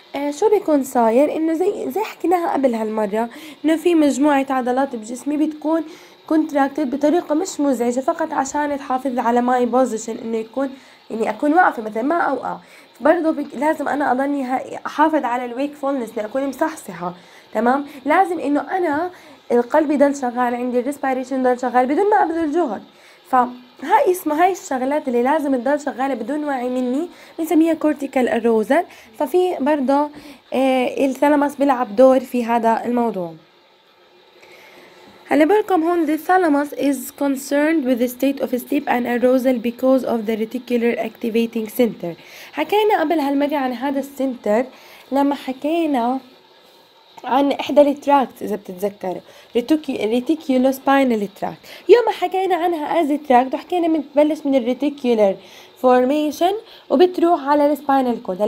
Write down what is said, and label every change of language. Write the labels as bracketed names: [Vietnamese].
[Arabic] شو بيكون صاير، انه زي حكيناها قبل هالمره انه في مجموعه عضلات بجسمي بتكون كونتراكتد بطريقه مش مزعجه فقط عشان تحافظ على ماي بوزيشن، انه يكون اني اكون واقفه مثلا ما اوقع، برضو لازم انا اضلني احافظ على الويك فولنس لاكون مصحصحه، تمام؟ لازم انه انا القلب يضل شغال عندي، الريسبيريشن يضل شغال بدون ما ابذل جهد. فهاي اسمها هاي الشغلات اللي لازم تضل شغاله بدون وعي مني بنسميها كورتيكال اروزال. ففي برضو الثلمس بيلعب دور في هذا الموضوع. هلا بقولكم هون [English] the thalamus is concerned with the state of sleep and arousal because of the reticular activating center. [Arabic] حكينا قبل هالمرة عن هذا السنتر لما حكينا عن إحدى التراكت إذا بتتذكروا reticulospinal tract، يوم حكينا عنها [English] as a tract [Arabic] وحكينا بتبلش من الreticular formation وبتروح على spinal cord.